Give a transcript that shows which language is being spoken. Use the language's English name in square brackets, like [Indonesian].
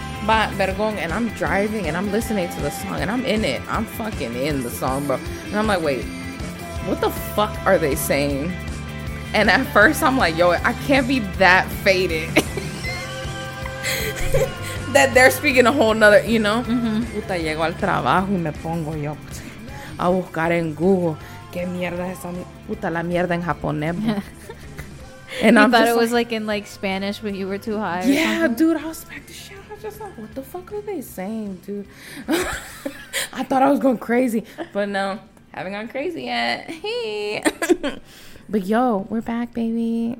[English] But vergon, and I'm driving, and I'm listening to the song, and I'm in it. I'm fucking in the song, bro. And I'm like, wait, what the fuck are they saying? And at first, I'm like, yo, I can't be that faded. That they're speaking a whole nother, you know? [Spanish] Puta, llego al trabajo y me pongo yo a buscar en Google. ¿Qué mierda es esa? Puta, la mierda en japonés. [English] And I thought it was like in like Spanish when you were too high. Yeah, dude, I was back to shit. I was just like, what the fuck are they saying, dude? I thought I was going crazy, but no, haven't gone crazy yet. Hey, but yo, we're back, baby.